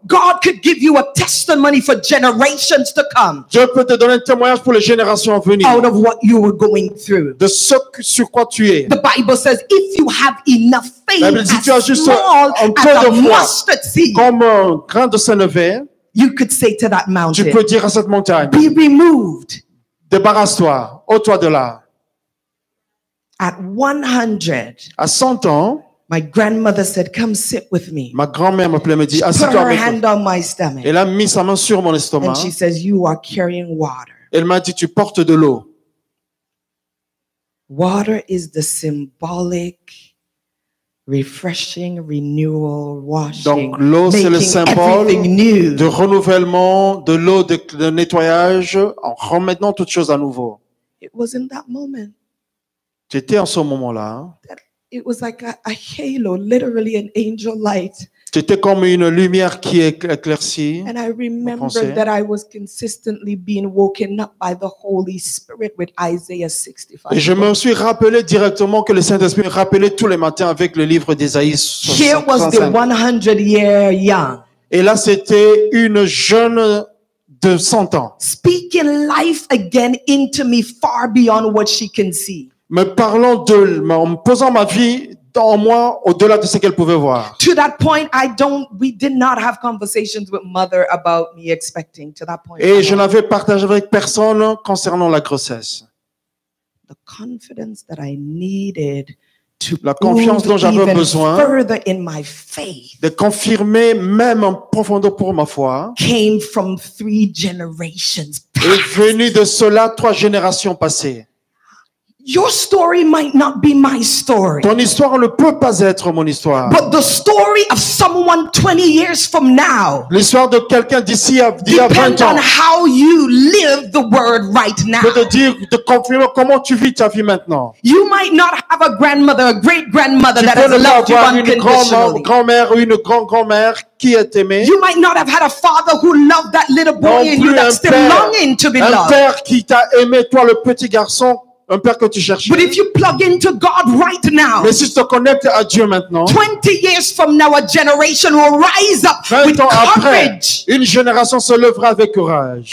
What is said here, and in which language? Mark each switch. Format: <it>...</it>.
<en>God could give you a testimony for generations to come.</en> <fr>Dieu peut te donner un témoignage pour les générations à venir.</fr> <en>Out of what you were going through.</en> <fr>De ce sur quoi tu es.</fr> <en>The Bible says if you have enough faith,</en> <fr>si tu as juste un peu de foi, comme un grain de sénévé.</fr> <en>You could say to that mountain,</en> <fr>tu peux dire à cette montagne,</fr> <en>be removed.</en> <fr>Débarrasse-toi, ôte-toi de là.</fr> <en>At 100,</en> <fr>à 100 ans,</fr> <en>my grandmother said, come sit with me.</en> <fr>Ma grand-mère m'appelait, me dit, assieds-toi avec moi.</fr> <en>Put her hand on my stomach.</en> <fr>Elle a mis sa main sur mon estomac.</fr> <en>And she says, you are carrying water.</en> <fr>Elle m'a dit, tu portes de l'eau.</fr> <en>Water is the symbolic refreshing, renewal, washing.</en> <fr>Donc l'eau,</fr> <en>making</en> <fr>c'est le symbole de renouvellement, de l'eau de nettoyage, en remettant toutes choses à nouveau.</fr> <en>It was in that moment.</en> <fr>J'étais en ce moment-là.</fr> <en>It was like a halo, literally an angel light.</en> <fr>C'était comme une lumière qui éclaircit.</fr> <en>And I remember that I was consistently being woken up by the Holy Spirit with Isaiah 65.</en> <fr>Et je me suis rappelé directement que le Saint-Esprit rappelait tous les matins avec le livre d'Ésaïe 65.</fr> <en>Here was the 100 year young.</en> <fr>Et là, c'était une jeune de 100 ans.</fr> <en>Speaking life again into me far beyond what she can see.</en> <fr>Me parlant de, en posant ma vie en moi au-delà de ce qu'elle pouvait voir.</fr> <en>To that point, we did not have conversations with mother about me expecting. To that point.</en> <fr>Et je n'avais partagé avec personne concernant la grossesse.</fr> <en>The confidence that I needed to</en> <fr>la confiance dont j'avais besoin</fr> <en>further in my faith</en> <fr>de confirmer même en profondeur pour ma foi</fr> <en>came from 3 generations past.</en> <fr>Est venue de cela 3 générations passées.</fr> <en>Your story might not be my story.</en> <fr>Ton histoire ne peut pas être mon histoire.</fr> <en>But the story of someone 20 years from now.</en> <fr>L'histoire de quelqu'un d'ici à 20 ans.</fr> <en>Depend on how you live the word right now.</en> <fr>Peut te dire de confirmer comment tu vis ta vie maintenant.</fr> <en>You might not have a grandmother, a great grandmother that has loved you unconditionally.</en> <fr>Tu peux ne pas avoir une grand-mère ou une grand-grand-mère qui est aimée.</fr> <en>You might not have had a father who loved that little boy in you that's still longing to be loved.</en> <fr>Un père qui t'a aimé toi le petit garçon. Un père que tu cherches.</fr> <en>But if you plug into God right now,</en> <fr>mais si tu te connectes à Dieu maintenant,</fr> <en>20 years from now, a generation will rise up with courage.</en> <fr>20 ans après, une génération se lèvera avec courage.</fr>